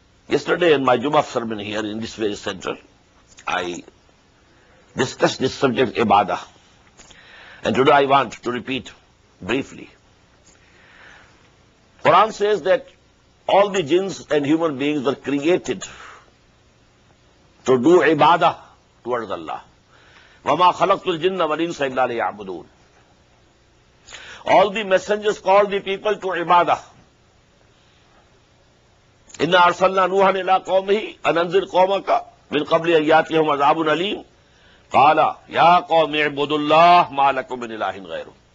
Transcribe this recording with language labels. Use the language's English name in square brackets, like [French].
[English] Yesterday in my Jummah sermon here in this very center, I discuss this subject, ibadah. And today I want to repeat briefly. Quran says that all the jinns and human beings were created to do ibadah towards Allah. [Arabic] وما خلقت الجن والانس الا ليعبدون. [English] All the messengers called the people to ibadah. [Arabic] إِنَّا أَرْسَلْنَا نُوحًا إِلَىٰ قَوْمِهِ أَنْ أَنذِرْ قَوْمَكَ مِنْ قَبْلِ أَنْ يَأْتِيَهُمْ عَذَابٌ أَلِيمٌ قَالَ يَا قَوْمِ اعْبُدُوا اللَّهَ مَا لَكُمْ مِنْ إِلَٰهٍ غَيْرُهُ.